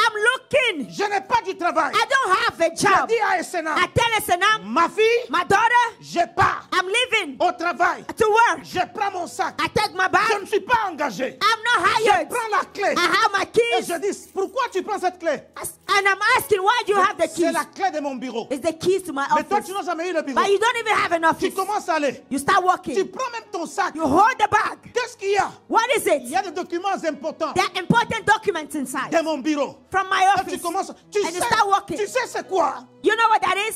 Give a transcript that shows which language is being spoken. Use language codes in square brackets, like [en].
[en] I'm looking. [fr] Je n'ai pas du travail. [en] I don't have a job. [fr] Je dis à SNA. [en] I tell SNA. [fr] Ma fille. [en] My daughter. [fr] Je pars. [en] I'm leaving. [fr] Au travail. [en] To work. [fr] Je prends mon sac. [en] I take my bag. [fr] Je ne suis pas engagé. [en] I'm not hired. [fr] Je prends la clé. [en] I have my keys. [fr] Et je dis, pourquoi tu prends cette clé? [en] And I'm asking, why do you have the keys? [fr] La clé de mon bureau. [en] It's the keys to my office. [fr] Mais toi, tu n'as jamais eu le bureau. [en] But you don't even have an office. [fr] Tu commences à aller. [en] You start walking. [fr] Tu prends même ton sac. [en] You hold the bag. [fr] Qu'est-ce qu'il y a? [en] What is it? [fr] Il y a des documents importants. [en] There are important documents inside. [fr] De mon bureau. [en] From my office. [fr] Et tu commences. [en] And [fr] sais, [en] you start walking. [fr] Tu sais c'est quoi? [en] You know what that is?